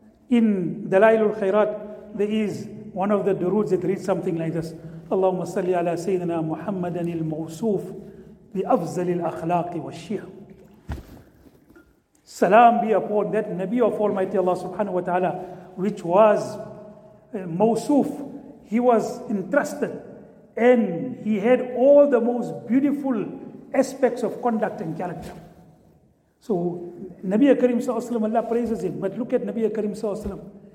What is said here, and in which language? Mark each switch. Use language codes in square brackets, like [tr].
[en] In Dalailul Khairat, there is one of the duruds that reads something like this. [ar] اللهم صل على سيدنا محمد الموصوف بأفضل الأخلاق والشيخ. [en] Salam be upon that Nabi of Almighty Allah subhanahu wa ta'ala, which was mawsuf. He was entrusted and he had all the most beautiful aspects of conduct and character. So Nabi Karim sallallahu alayhi wa sallam, Allah praises him. But look at Nabi Karim sallallahu alayhi wa sallam.